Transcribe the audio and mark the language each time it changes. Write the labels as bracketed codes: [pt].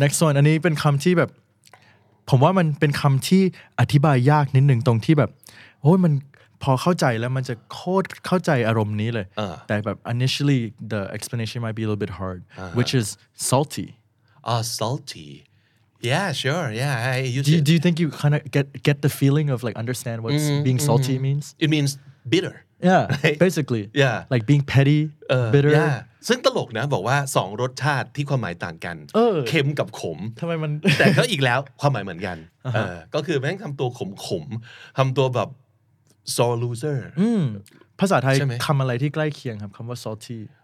[en] Next one. [th] อันนี้เป็นคำที่แบบผมว่ามันเป็นคำที่อธิบายยากนิดนึงตรงที่แบบโอ้ยมันพอเข้าใจแล้วมันจะโคตรเข้าใจอารมณ์นี้เลย แต่แบบ [en] initially the explanation might be a little bit hard, which is salty. Salty. Yeah, sure. Yeah, I use it. Do you think you kind of get the feeling of like understand what being salty means? It means bitter. Yeah, basically. Yeah. Like being petty, bitter. Yeah. [th] ซึ่งตลกนะบอกว่าสองรสชาติที่ความหมายต่างกันเค็มกับขม ทำไมมัน แต่ก็อีกแล้วความหมายเหมือนกันก็คือแม่งทำตัวขมขมทำตัวแบบ sore loser ภาษาไทยคำอะไรที่ใกล้เคียงครับคำว่า salty